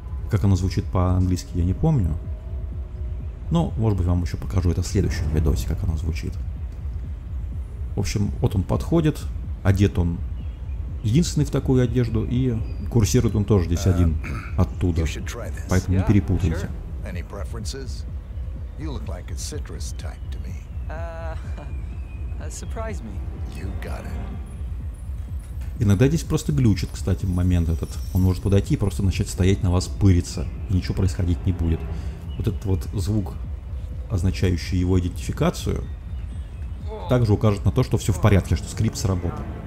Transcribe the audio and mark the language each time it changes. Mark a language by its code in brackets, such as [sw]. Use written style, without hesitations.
[ru] Как оно звучит по-английски, я не помню. Но, может быть, вам еще покажу это в следующем видосе, как оно звучит. В общем, вот он подходит, одет он единственный в такую одежду, и курсирует он тоже здесь один оттуда, поэтому не перепутайте. [en] Any preferences? You look like a citrus type to me. Surprise me. You got it. [ru] Иногда здесь просто глючит, кстати, момент этот. Он может подойти и просто начать стоять на вас пыриться, и ничего происходить не будет. Вот этот вот звук, означающий его идентификацию, также укажет на то, что все в порядке, что скрипт сработал.